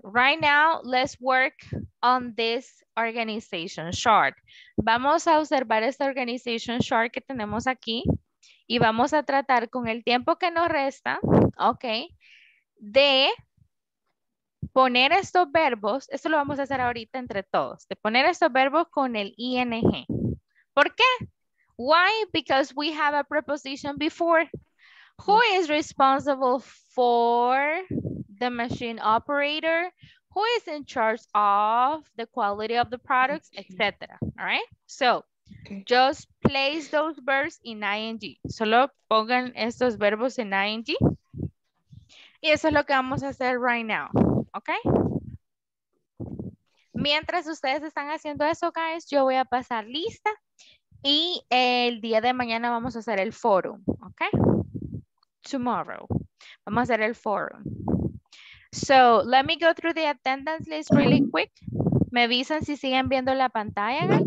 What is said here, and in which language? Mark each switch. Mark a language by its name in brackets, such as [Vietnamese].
[English] Right now, let's work on this organization chart. [Spanish] Vamos a observar esta organization chart que tenemos aquí y vamos a tratar con el tiempo que nos resta, ok, de poner estos verbos, esto lo vamos a hacer ahorita entre todos, de poner estos verbos con el ing. ¿Por qué? [English] Why? Because we have a preposition before. Who is responsible for the machine operator? Who is in charge of the quality of the products, etc. All right? So, just place those verbs in ing. [Spanish] Solo pongan estos verbos en ing. Y eso es lo que vamos a hacer [English] right now. [Spanish] Okay? Mientras ustedes están haciendo eso, [English] guys, [Spanish] yo voy a pasar lista. Y el día de mañana vamos a hacer el forum. [English] Okay? Tomorrow. [Spanish] Vamos a hacer el forum. [English] So, let me go through the attendance list really quick. [Spanish] ¿Me avisan si siguen viendo la pantalla, [English] guys?